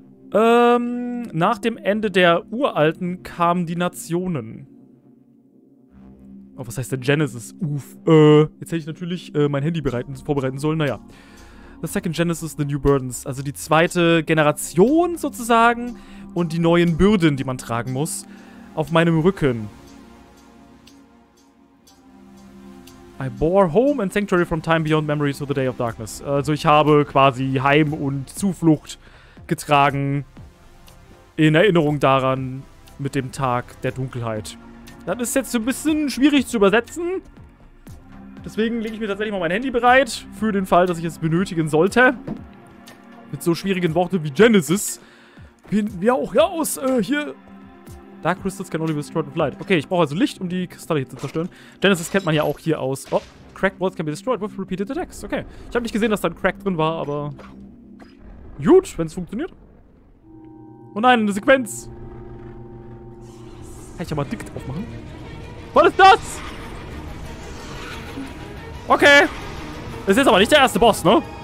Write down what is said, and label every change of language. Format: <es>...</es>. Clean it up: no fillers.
<de>Nach dem Ende der Uralten kamen die Nationen. Oh, was heißt denn Genesis? Uff. Jetzt hätte ich natürlich mein Handy vorbereiten sollen. Naja.</de> <en>The second Genesis, the new burdens.</en> <de>Also die zweite Generation sozusagen. Und die neuen Bürden, die man tragen muss. Auf meinem Rücken.</de> <en>I bore home and sanctuary from time beyond memory to the day of darkness.</en> <de>Also ich habe quasi Heim und Zuflucht getragen. In Erinnerung daran mit dem Tag der Dunkelheit. Das ist jetzt ein bisschen schwierig zu übersetzen. Deswegen lege ich mir tatsächlich mal mein Handy bereit. Für den Fall, dass ich es benötigen sollte. Mit so schwierigen Worten wie Genesis. Wie auch ja aus, hier.</de> <en>Dark Crystals can only be destroyed with light.</en> <de>Okay, ich brauche also Licht, um die Kristalle hier zu zerstören. Genesis kennt man ja auch hier aus.</de> <en>Oh, cracked walls can be destroyed with repeated attacks.</en> <de>Okay, ich habe nicht gesehen, dass da ein Crack drin war, aber... Gut, wenn es funktioniert. Oh nein, eine Sequenz. Kann ich ja mal dick aufmachen? Was ist das? Okay. Das ist aber nicht der erste Boss, ne?</de>